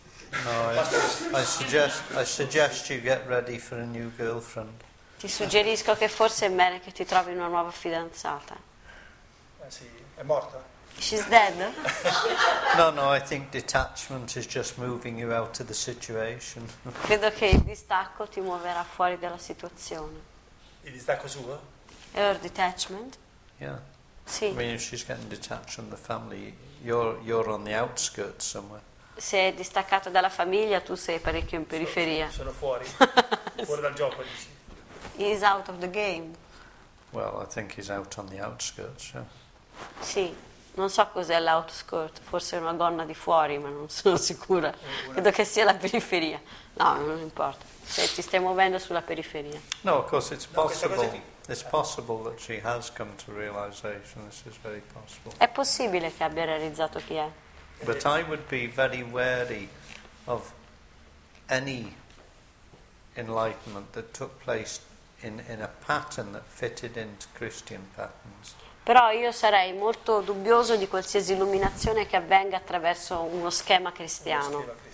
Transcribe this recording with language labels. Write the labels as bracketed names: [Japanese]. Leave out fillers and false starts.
[English] No, I suggest you get ready for a new girlfriend. [Italian] Ti suggerisco che forse è meglio che ti trovi una nuova fidanzata. Sì, è morta? [English] She's dead. No, I think detachment is just moving you out of the situation. [Italian] Credo che il distacco ti muoverà fuori dalla situazione. Il distacco suo? [English] Her detachment. Yeah. [Italian] Sì. [English] I mean, if she's getting detached from the family, you're on the outskirts somewhere. [Italian] Se è distaccato dalla famiglia, tu sei parecchio in periferia. Sono fuori. Fuori dal gioco, dici. [English] He's out of the game. Well, I think he's out on the outskirts, yeah. [Italian] Sì, non so cos'è l'outskirt, forse è una gonna di fuori, ma non sono sicura. Credo che sia la periferia. No, non importa. Se ti stai muovendo sulla periferia. [English] No, of course it's possible. It's possible that she has come to realization. This is very possible. [Italian] È possibile che abbia realizzato chi è. [English] But I would be very wary of any enlightenment that took place in a pattern that fitted into Christian patterns. [Italian] Però io sarei molto dubbioso di qualsiasi illuminazione che avvenga attraverso uno schema cristiano.